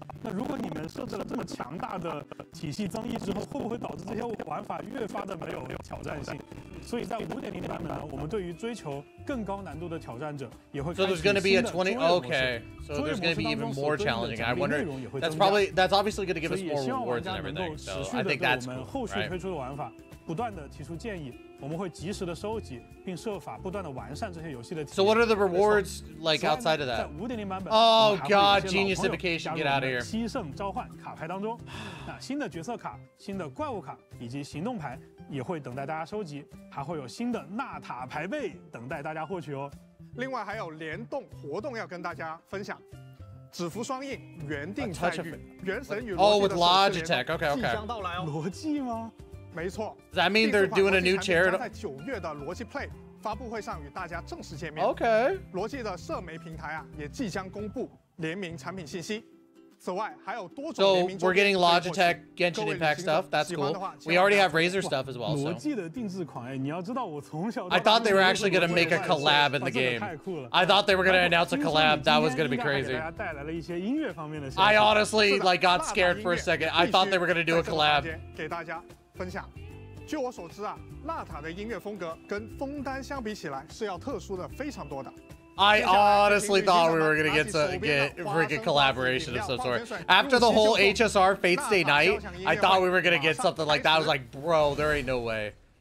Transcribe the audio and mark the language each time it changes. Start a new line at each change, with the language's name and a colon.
Chinese: 那如果你们设置了这么强大的体系增益之后，会不会导致这些玩法越发的没有挑战性？所以在5.0版本呢，我们对于追求更高难度的挑战者也会开始新的专业模式。
English: So there's going to be even more challenging. I wonder. That's obviously going to give us more rewards and everything. So I think that's cool.
Chinese: 后续推出的玩法不断的提出建议。我们会及时的收集，并设法不断的完善这些游戏的体验。
English: So what are the rewards like outside of that?
Chinese: 在5.0版本
English: ，Oh God, geniusification, get out of here!
Chinese: 七圣召唤卡牌当中，那新的角色卡、新的怪物卡以及行动牌也会等待大家收集，还会有新的纳塔牌背等待大家获取哦。另外还有联动活动要跟大家分享。指符双印原定在于原神与
English: Oh with Logitech, OK OK.
Chinese: 即将到来哦。逻辑吗？没错。
English: Does that mean they're doing a new chair?
Chinese: 在九月的逻辑 Play 发布会上与大家正式见面。
English: OK。
Chinese: 逻辑的社媒平台啊，也即将公布联名产品信息。此外，还有多种联名。
English: So we're getting Logitech, Genshin Impact stuff. That's cool. We already have Razer stuff as well.
Chinese: 逻辑的定制款，你要知道，我从小。
English: I thought they were actually going to make a collab in the game. I thought they were going to announce a collab. That was going to be crazy. I honestly like got scared for a second. I thought they were going to do a collab.
Chinese: 给大家。分享，据我所知啊，纳塔的音乐风格跟枫丹相比起来是要特殊的非常多的。
English: I honestly thought we were gonna get freaking collaboration of some sort. After the whole HSR Fate Stay Night, I thought we were gonna get something like that. I was like, bro, there ain't no way.